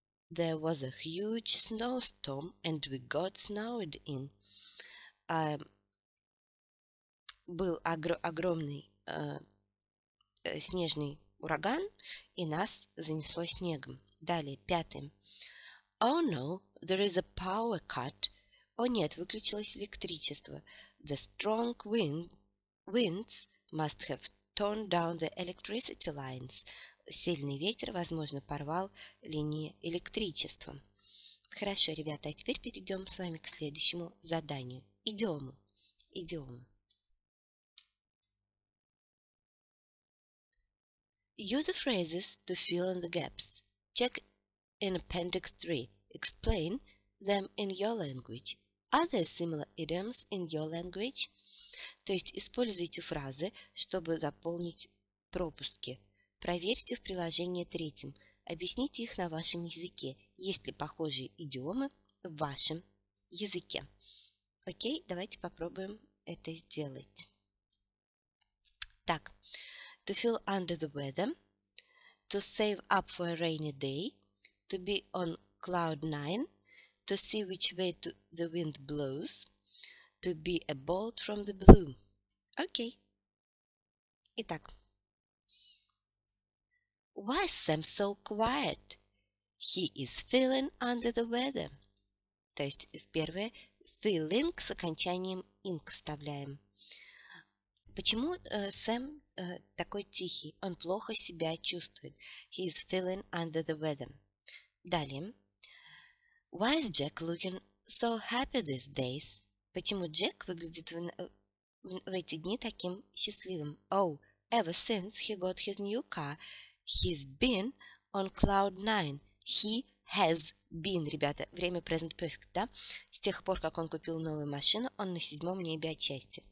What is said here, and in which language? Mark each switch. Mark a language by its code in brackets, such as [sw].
[en] There was a huge snowstorm and we got snowed in. [ru] Был огромный снежный ураган, и нас занесло снегом. Далее, пятым. [en] Oh no, there is a power cut. [ru] О нет, выключилось электричество. [en] The strong winds must have torn down the electricity lines. [ru] Сильный ветер, возможно, порвал линии электричества. Хорошо, ребята, а теперь перейдем с вами к следующему заданию. Идиому. Идиому. [en] Use the phrases to fill in the gaps. Check in Appendix 3. Explain them in your language. Are there similar idioms in your language? [ru] То есть используйте фразы, чтобы заполнить пропуски. Проверьте в приложении третьем. Объясните их на вашем языке. Есть ли похожие идиомы в вашем языке? Окей, давайте попробуем это сделать. Так. [en] To feel under the weather, to save up for a rainy day, to be on cloud nine, to see which way the wind blows, to be a bolt from the blue. [ru] Окей. Итак. [en] Why is Sam so quiet? He is feeling under the weather. [ru] То есть в первое feeling с окончанием ing вставляем. Почему Сэм такой тихий? Он плохо себя чувствует. [en] He is feeling under the weather. [ru] Далее. [en] Why is Jack looking so happy these days? [ru] Почему Джек выглядит в эти дни таким счастливым? [en] Oh, ever since he got his new car, he's been on cloud nine. He has been, [ru] ребята, время [en] present perfect, [ru] да? С тех пор, как он купил новую машину, он на седьмом небе отчасти.